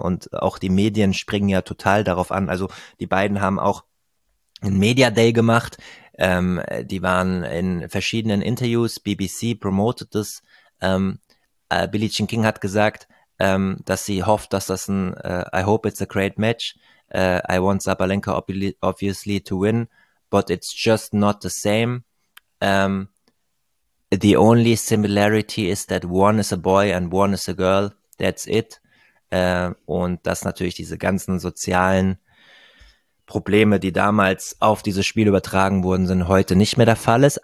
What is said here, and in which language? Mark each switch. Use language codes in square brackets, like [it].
[de] Und auch die Medien springen ja total darauf an. Also die beiden haben auch einen Media Day gemacht. Die waren in verschiedenen Interviews. BBC promotet das. Billie Jean King hat gesagt, dass sie hofft, dass das ein [en] I hope it's a great match. I want Sabalenka obviously to win. But it's just not the same. The only similarity is that one is a boy and one is a girl. That's it. [de] Und dass natürlich diese ganzen sozialen Probleme, die damals auf dieses Spiel übertragen wurden, sind, heute nicht mehr der Fall ist.